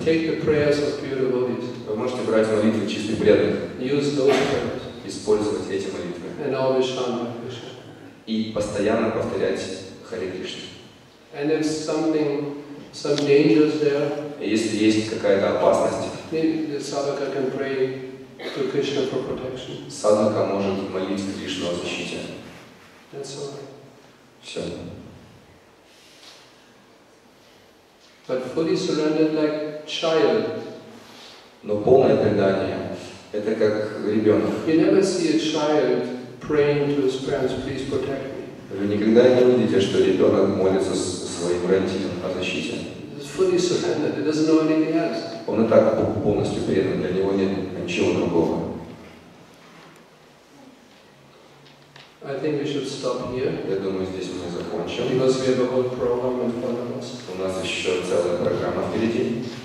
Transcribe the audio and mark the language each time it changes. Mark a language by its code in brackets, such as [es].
[en] Take the prayers of pure devotees. [ru] Вы можете брать молитвы чистых преданных. [en] Use those prayers. [ru] Использовать эти молитвы. [en] And always chant Hare Krishna. [ru] И постоянно повторять Hare Krishna. [en] And if something, some dangers there. [ru] И если есть какая-то опасность. [en] Maybe the sadhaka can pray to Krishna for protection. [ru] Садхака может молить Кришну о защите. [en] That's all. [ru] Все. [en] But fully surrendered like child. [ru] Но полное предание – это как ребенок. [en] You never see a child praying to his parents, please protect me. [ru] Вы никогда не увидите, что ребенок молится своим родителям о защите. [en] It's fully surrendered. It doesn't know anything else. [ru] Он и так полностью предан. Для него нет ничего другого. [en] I think we should stop here. [ru] Я думаю, здесь мы закончим. [en] Because we have a whole program in front of us. [ru] У нас еще целая программа впереди.